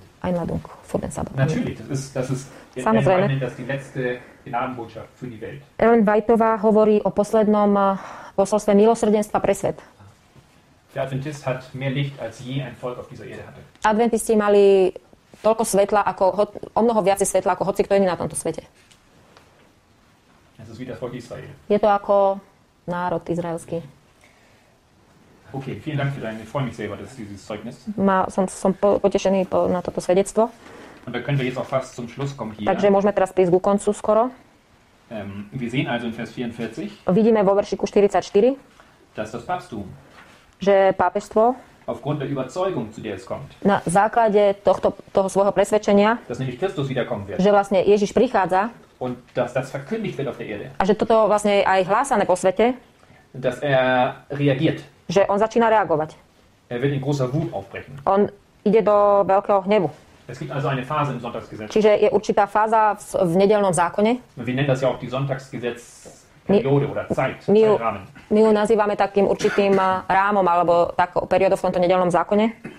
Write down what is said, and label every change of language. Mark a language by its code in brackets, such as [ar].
[de] Einladung für den Sabbat. Natürlich, das ist die letzte Gnadenbotschaft für die Welt. [sk] Ellen Whiteová hovorí o poslednom posolstve milosrdenstva pre svet. [de] Der Adventist hat mehr Licht als je ein Volk auf dieser Erde hatte. [sk] Adventisti mali toľko svetla ako o mnoho viac svetla ako hoci kto iný na tomto svete. [de] Es ist wie das Volk Israel. [sk] Je to ako národ izraelský. [de] Okay, vielen Dank für deine freue mich sehr über dieses Zeugnis. [sk] Som potešený na toto svedectvo. [de] Und da können wir jetzt auch fast zum Schluss kommen hier. [sk] Takže môžeme teraz prísť ku koncu skoro. [de] Wir sehen also in Vers 44. [sk] Vidíme vo veršiku 44. [de] Dass das Papsttum. [sk] Že pápežstvo [de] aufgrund der Überzeugung, zu der es kommt. [sk] Na základe toho svojho presvedčenia, že vlastne Ježiš prichádza [de] und das verkündigt wird auf der Erde, [sk] a že toto vlastne je aj hlásané po svete, [de] dass er reagiert. [sk] Že on začína reagovať. [de] Er wird in großer Wut aufbrechen. [sk] On ide do veľkého hnevu. [de] Es gibt also eine Phase im Sonntagsgesetz. [sk] Čiže je určitá fáza v nedeľnom zákone. [de] Wir nennen das ja auch die Sonntagsgesetz periode oder Zeit, Zeitrahmen. [sk] My ju nazývame takým určitým rámom alebo takou periódou v tomto nedeľnom zákone.